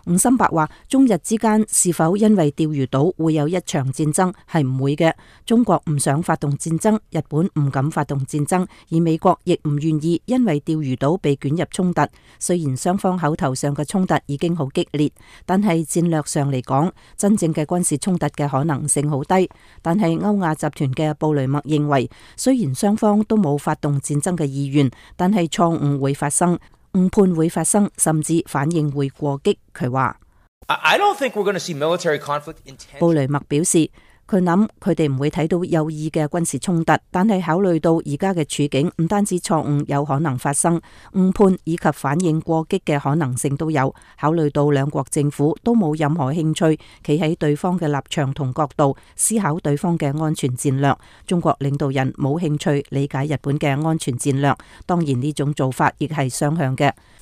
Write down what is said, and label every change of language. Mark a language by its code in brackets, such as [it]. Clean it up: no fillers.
[zh] 伍森伯说，中日之间是否因为钓鱼岛会有一场战争是不会的，中国不想发动战争，日本不敢发动战争，而美国亦不愿意因为钓鱼岛被卷入冲突，虽然双方口头上的冲突已经很激烈，但是战略上来讲，真正的军事冲突的可能性很低。但是欧亚集团的布雷默认为，虽然双方都没有发动战争的意愿，但是错误会发生，误判会发生，甚至反应会过激。他说 [en] I don't think we're going to see military conflict intentionally。 [zh] 布雷默表示，他想他们不会看到有意的军事冲突，但是考虑到现在的处境，不单止错误有可能发生，误判以及反应过激的可能性都有，考虑到两国政府都没有任何兴趣站在对方的立场和角度思考对方的安全战略，中国领导人没有兴趣理解日本的安全战略，当然这种做法也是双向的。